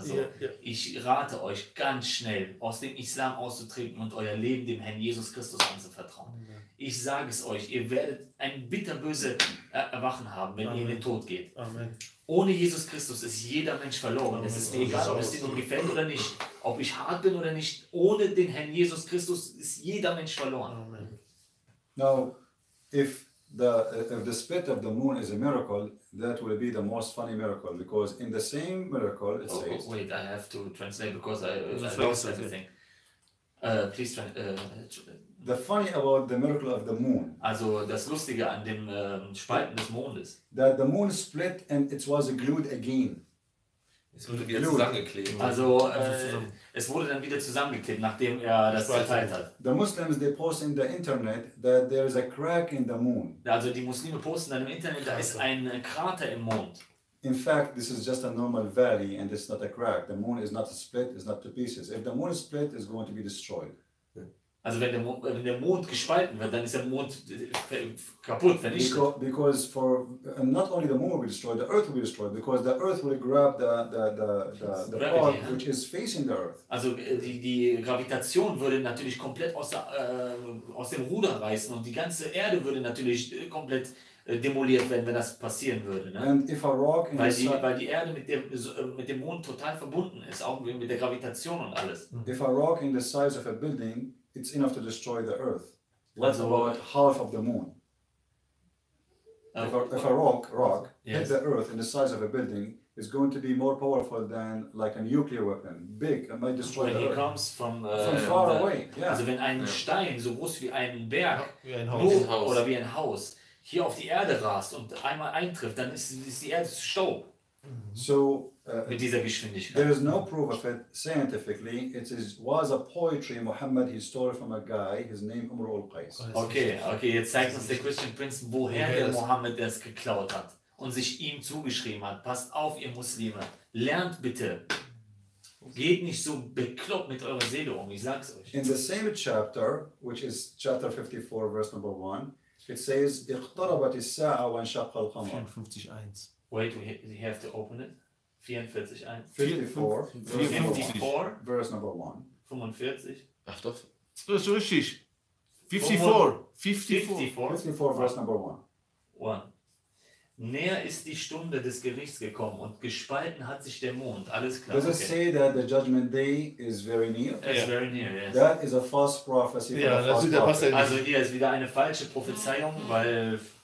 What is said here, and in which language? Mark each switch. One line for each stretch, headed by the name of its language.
German: So, ich rate euch ganz schnell, aus dem Islam auszutreten und euer Leben dem Herrn Jesus Christus anzuvertrauen. Ich sage es euch, ihr werdet ein bitterböse Erwachen haben, wenn ihr in den Tod geht. Ohne Jesus Christus ist jeder Mensch verloren. Es ist mir egal, ob es dir nun gefällt oder nicht. Ob ich hart bin oder nicht. Ohne den Herrn Jesus Christus ist jeder Mensch verloren.
English: Now, if the spit of the moon is a miracle, that will be the most funny miracle. Because in the same miracle, it says... Wait, I have to translate, because I lost everything. please try. The funny about the miracle of the moon.
German: Also das Lustige an dem Spalten des Mondes.
English: That the moon split and it was glued again.
German: Es wurde wieder zusammengeklebt. Also es wurde dann wieder zusammengeklebt, nachdem er das zerteilt hat.
English: The Muslims they post in the internet that there is a crack in the moon.
German: Also die Muslime posten dann im Internet, da ist ein Krater im Mond.
English: In fact, this is just a normal valley and it's not a crack. The moon is not split, it's not to pieces. If the moon is split, it's going to be destroyed.
German: Also wenn der Mond gespalten wird, dann ist der Mond kaputt, vernichtet.
English: Because for not only the moon will be destroyed, the earth will be destroyed, because the earth will grab the gravity, part, which is facing the earth.
German: Also die Gravitation würde natürlich komplett aus dem Ruder reißen und die ganze Erde würde natürlich komplett demoliert werden, wenn das passieren würde. Ne?
English: And if a rock in
German: weil die Erde mit dem Mond total verbunden ist, auch mit der Gravitation und alles.
English: If a rock in the size of a building, it's enough to destroy the earth. What's about half of the moon? If a rock yes. hit the earth in the size of a building, it's going to be more powerful than like a nuclear weapon. Big, it might destroy when the earth. When it comes from far away. Yeah.
German: Also wenn ein Stein so groß wie ein Berg oder wie ein Haus hier auf die Erde rast und einmal eintrifft, dann ist die Erde zu Staub. So, mit dieser Geschwindigkeit.
English: There is no proof of it scientifically. It was a poetry Muhammad he stole from a guy, his name Umar al-Qais.
German: Okay, jetzt zeigt uns der Christian Prince, woher der Muhammad das geklaut hat und sich ihm zugeschrieben hat. Passt auf, ihr Muslime, lernt bitte. Geht nicht so bekloppt mit eurer Seele um, ich sag's euch.
English: In the same chapter, which is chapter 54, verse number 1, it says,
Arabic: اقتربت الساعة وانشق القمر.
English: 54:1. Wait, we have to open it. 44:1. 54. Verse number 1. 45.
German: Ach doch. Das ist richtig. 54. 54,
English: verse number 1.
German: Näher ist die Stunde des Gerichts gekommen und gespalten hat sich der Mond. Alles klar.
English: Does it say that the judgment day is very near? It's very near, yes. That is a false prophecy.
German: Ja, also hier ist wieder eine falsche Prophezeiung, weil...